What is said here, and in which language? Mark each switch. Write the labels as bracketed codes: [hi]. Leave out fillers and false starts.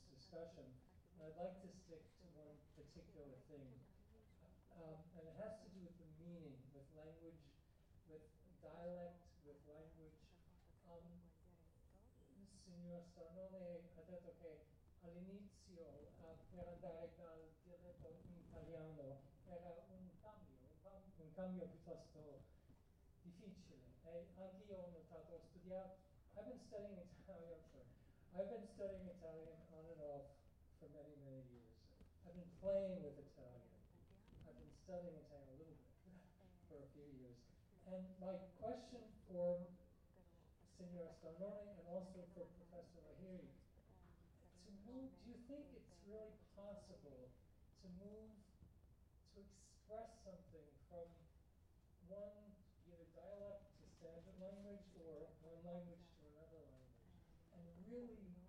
[en] I'd like to stick to one particular thing, and it has to do with the meaning, with language, with dialect, with language. [it] Signor Starnone ha detto che all'inizio per andare dal dialetto italiano era un cambio piuttosto difficile. E anche io ho notato, [en] I've been studying Italian on and off for many, many years. I've been playing with Italian. I've been studying Italian a little bit for a few years. And my question for Signora Starnone and also for Professor Lahiri, do you think it's really possible to move, to express something from one either dialect to standard language or one language to another language, and really